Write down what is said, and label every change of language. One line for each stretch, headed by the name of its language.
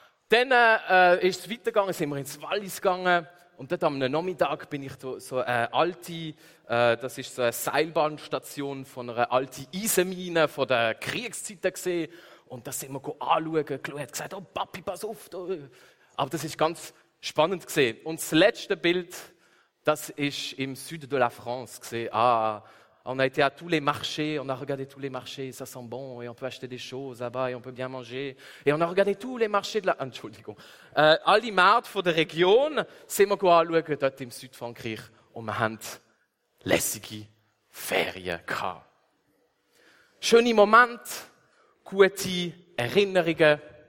German: Dann ist es weitergegangen, sind wir ins Wallis gegangen. Und dort am Nachmittag bin ich so eine alte, das ist so eine Seilbahnstation von einer alten Eisenmine von der Kriegszeiten gesehen. Und da sind wir anschauen gegangen, hat gesagt, oh Papi, pass auf. Aber das ist ganz spannend gesehen. Und das letzte Bild, das ist im Süden
French: de la France
German: gesehen.
French: Ah, on a été à tous les marchés, on a regardé tous les marchés, ça sent bon, et on peut acheter des choses là-bas, et on peut bien manger. Et on a regardé tous les marchés de la...
German: Entschuldigung. Alle Märkte von der Region sind wir anschauen, dort im Südfrankreich, und wir haben lässige Ferien gehabt. Schöne Momente, gute Erinnerungen.